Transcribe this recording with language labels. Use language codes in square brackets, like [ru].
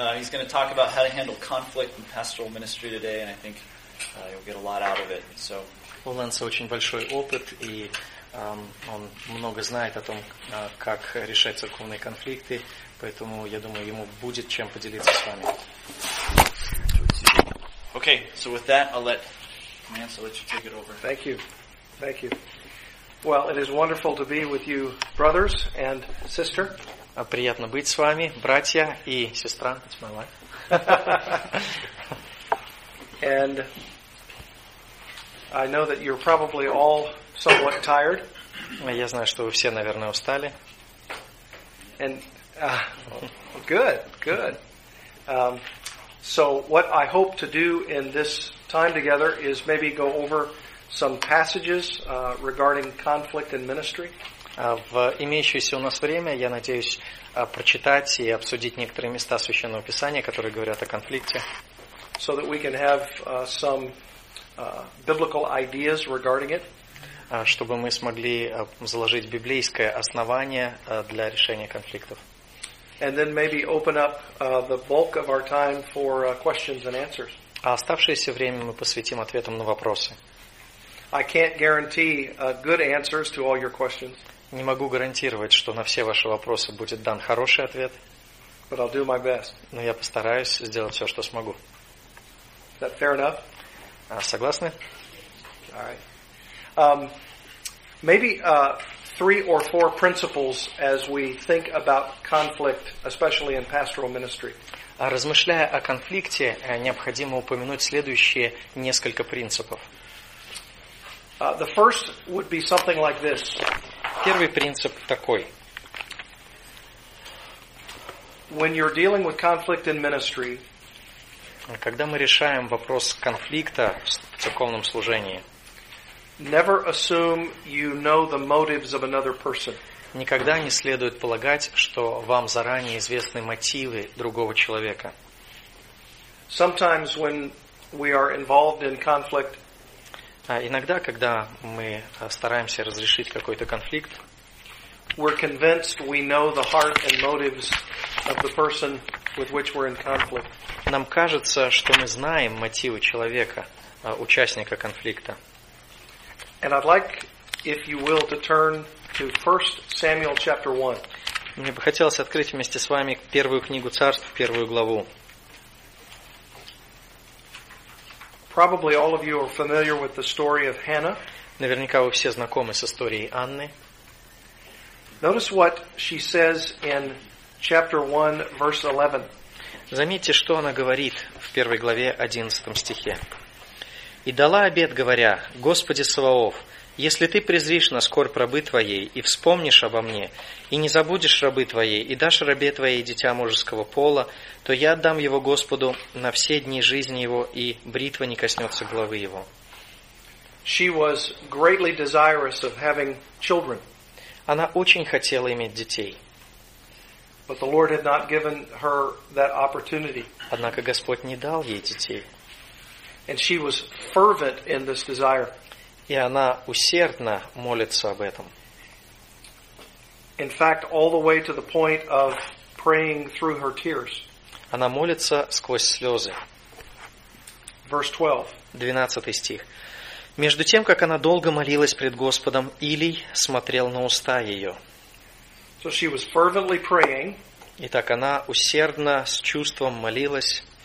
[en] He's going to talk about how to handle conflict in pastoral ministry today, and I think you'll get a lot out of it. So. [ru] У Лэнса очень большой опыт, и он много знает о том, как решать церковные конфликты, поэтому я думаю, ему будет чем поделиться с вами. [en] Okay, so with that, I'll let you take it over. Thank you. Well, it is wonderful to be with you, brothers and sister. [ru] Приятно быть с вами, братья и сестра. [en] It's my wife. And I know that you're probably all somewhat tired. [ru] Я знаю, что вы все, наверное, устали. [en] And good. So what I hope to do in this time together is maybe go over some passages regarding conflict in ministry. [ru] В имеющееся у нас время, я надеюсь прочитать и обсудить некоторые места Священного Писания, которые говорят о конфликте. [en] So that we can have some biblical ideas regarding it. [ru] Чтобы мы смогли заложить библейское основание для решения конфликтов. [en] And then maybe open up the bulk of our time for questions and answers. [ru] А оставшееся время мы посвятим ответам на вопросы. [en] I can't guarantee good answers to all your questions. [ru] Не могу гарантировать, что на все ваши вопросы будет дан хороший ответ. [en] But I'll do my best. [ru] Но я постараюсь сделать все, что смогу. [en] Is that fair enough? [ru] Согласны? [en] All right. Maybe three or four principles as we think about conflict, especially in pastoral ministry. [ru] Размышляя о конфликте, необходимо упомянуть следующие несколько принципов. [en] The first would be something like this. [ru] Первый принцип такой. [en] When you're dealing with conflict in ministry, [ru] когда мы решаем вопрос конфликта в церковном служении, [en] never assume you know the motives of another person. [ru] Никогда не следует полагать, что вам заранее известны мотивы другого человека. [en] Sometimes when we are involved in conflict, [ru] иногда, когда мы стараемся разрешить какой-то конфликт, [en] we're convinced we know the heart and motives of the person with which we're in conflict. [ru] Нам кажется, что мы знаем мотивы человека, участника конфликта. [en] And I'd like, if you will, to turn to 1 Samuel chapter 1. [ru] Мне бы хотелось открыть вместе с вами первую книгу царств, первую главу. [en] Probably all of you are familiar with the story of Hannah. [ru] Наверняка вы все знакомы с историей Анны. [en] Notice what she says in chapter 1, verse 11. [ru] Заметьте, что она говорит в первой главе 11 стихе. «И дала обет, говоря, Господи Саваоф, если ты презришь на скорбь рабы твоей и вспомнишь обо мне, и не забудешь рабы твоей, и дашь рабе твоей дитя мужеского пола, то я отдам его Господу на все дни жизни его, и бритва не коснется головы его». [en] She was greatly desirous of having children. [ru] Она очень хотела иметь детей. [en] But the Lord had not given her that opportunity. [ru] Однако Господь не дал ей детей. [en] And she was fervent in this desire. [ru] И она усердно молится об этом. [en] In fact, all the way to the point of praying through her tears. [ru] Она молится сквозь слезы. [en] Verse 12. [ru] 12 стих. Между тем, как она долго молилась пред Господом, Илий смотрел на уста ее. [en] So she was fervently praying. [ru] Итак, она усердно с чувством молилась.